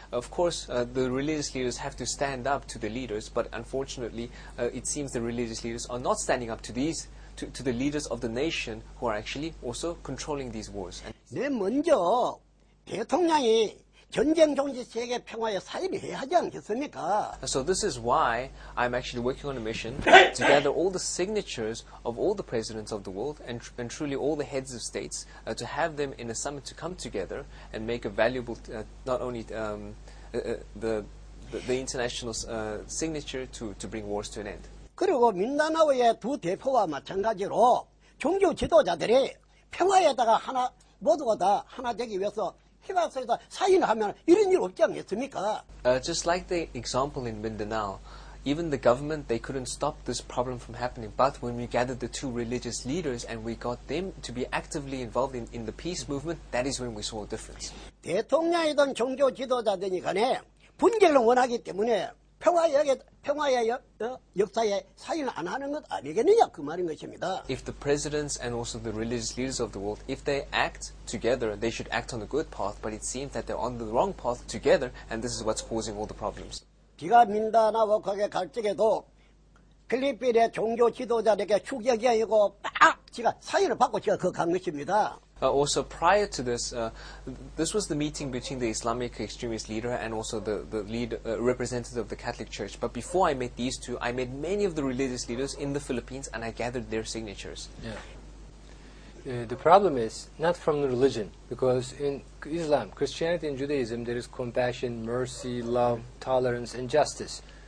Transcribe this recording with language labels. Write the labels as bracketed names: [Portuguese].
[English] Of course, the religious leaders have to stand up to the leaders, but unfortunately, it seems the religious leaders are not standing up to these to the leaders of the nation who are actually also controlling these wars. [Korean] 네, 먼저 대통령이 전쟁 종지 세계 평화에 사인을 해야 하지 않겠습니까? [English] So this is why I'm actually working on a mission to gather all the signatures of all the presidents of the world and truly all the heads of states to have them in a summit to come together and make a valuable not only the international signature to bring wars to an end. [Korean] 그리고 민다나오의 두 대표와 마찬가지로 종교 지도자들이 평화에다가 하나 모두가 다 하나 되기 위해서 사인하면 이런 일 없지 않겠습니까? [English] Just like the example in Mindanao, even the government, they couldn't stop this problem from happening. But when we gathered the two religious leaders and we got them to be actively involved in the peace movement, that is when we saw a difference. [Korean] 대통령이든 종교 지도자든 간에 분쟁을 원하기 때문에 평화의 역사에 사인을 안 하는 것 아니겠느냐 그 말인 것입니다. [English] If the presidents and also the religious leaders of the world, if they act together, they should act on a good path, but it seems that they're on the wrong path together, and this is what's causing all the problems. [Korean] 비가 민다나 워크하게 갈 적에도 필리핀의 종교 지도자들에게 추격이고 빡! 제가 사인을 받고 제가 그 간 것입니다. [English] Also, prior to this, this was the meeting between the Islamic extremist leader and also the representative of the Catholic Church. But before I met these two, I met many of the religious leaders in the Philippines and I gathered their signatures. The problem is not from the religion, because in Islam, Christianity and Judaism, there is compassion, mercy, love, tolerance and justice.